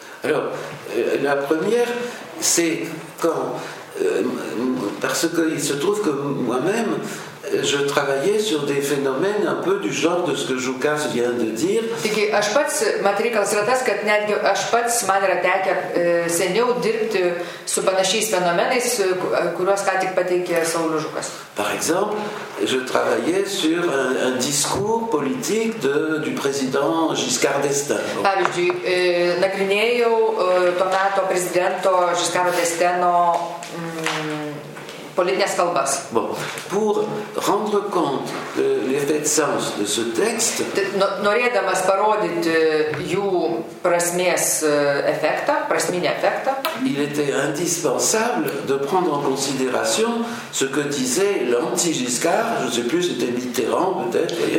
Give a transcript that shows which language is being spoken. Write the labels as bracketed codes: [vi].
[fr] Alors, la première, c'est quand, parce qu'il se trouve que moi-même, je travaillais sur des phénomènes un peu du genre de ce que Joukas vient de dire. [lt] Taigi, aš pats, mat reikalas yra tas, kad netgi aš pats man yra tekę seniau dirbti su panašiais fenomenais, kuriuos ką tik pateikė Saulius Žukas. [fr] Par exemple, je travaillais sur un discours politique du président Giscard d'Estaing. [lt] Pavyzdžiui, nagrinėjau to meto prezidento Giscardo d'Estaingo politinės kalbas. [fr] Bon. Pour rendre compte de l'effet de sens de ce texte, [lt] norėdamas parodyti jų prasmės efektą, prasminį efektą, [fr] il était indispensable de prendre en considération ce que disait l'anti-Giscard, je ne sais plus, c'était Mitterrand peut-être.